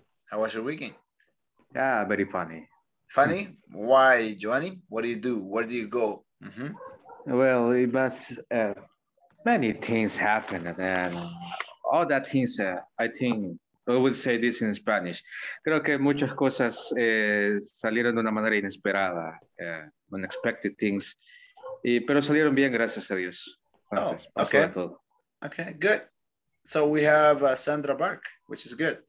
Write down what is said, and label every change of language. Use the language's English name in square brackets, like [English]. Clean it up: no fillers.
[English] Yeah, very funny. Funny? Why, Giovanni? What do you do? Where do you go? Mm-hmm. Well, it was... many things happen, and all that things, I think, I would say this in Spanish. [Spanish] Creo que muchas cosas salieron de una manera inesperada, [English] unexpected things, [Spanish] y, pero salieron bien, gracias a Dios. [English] Entonces, oh, okay. Okay, good. So we have Sandra back, which is good.